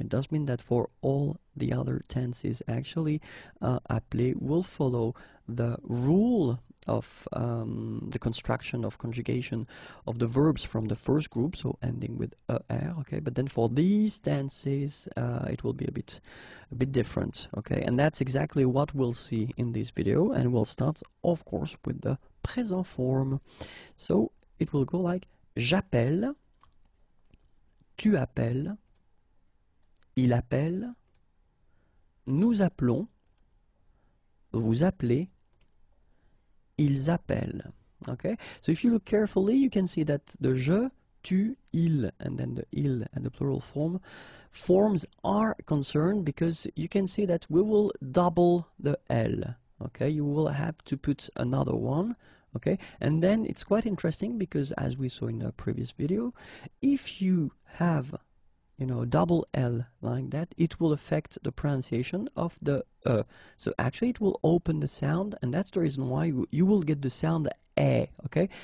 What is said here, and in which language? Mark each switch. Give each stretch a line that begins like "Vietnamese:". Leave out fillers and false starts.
English: It does mean that for all the other tenses, actually, appeler will follow the rule of the construction of conjugation of the verbs from the first group, so ending with er, okay, but then for these tenses it will be a bit different, okay, and that's exactly what we'll see in this video, and we'll start of course with the present form. So it will go like
French: j'appelle, tu appelles, il appelle, nous appelons, vous appelez, ils appellent.
English: Okay, so if you look carefully, you can see that the je, tu, il, and then the il and the plural forms are concerned, because you can see that we will double the L. Okay, you will have to put another one. Okay, and then it's quite interesting, because as we saw in the previous video, if you have, you know, double L like that, it will affect the pronunciation of the E. So actually it will open the sound, and that's the reason why you will get the sound est, ok?